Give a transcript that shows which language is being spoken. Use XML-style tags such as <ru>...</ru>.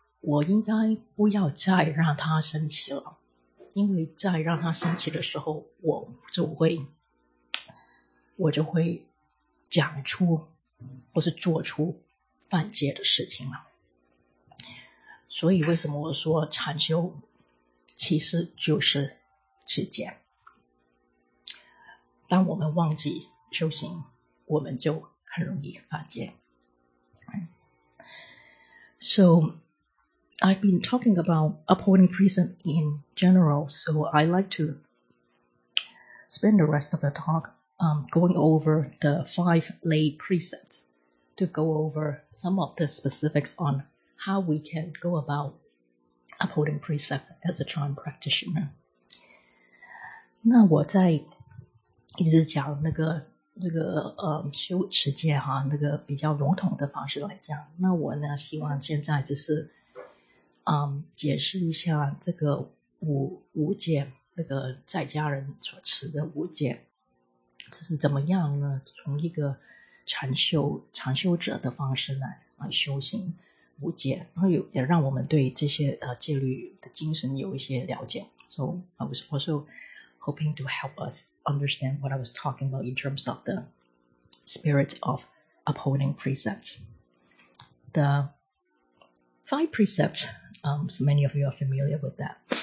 <zh>我应该不要再让他生气了，因为再让他生气的时候，我就会讲出或是做出犯戒的事情了。所以为什么我说禅修其实就是持戒？当我们忘记修行，我们就很容易犯戒。</zh> <en>So I've been talking about upholding precept in general, so I like to spend the rest of the talk going over the 5 lay precepts to go over some of the specifics on how we can go about upholding precept as a Chan practitioner.</en> <zh>那我在一直讲那个修持戒哈，那个比较笼统的方式来讲，那我呢希望现在就是解释一下这个五戒，那个在家人所持的五戒，这是怎么样呢？从一个禅修者的方式来修行五戒，然后也让我们对这些戒律的精神有一些了解。</zh> <en>So I was also hoping to help us understand what I was talking about in terms of the spirit of upholding precepts. The 5 precepts, so many of you are familiar with that.</en>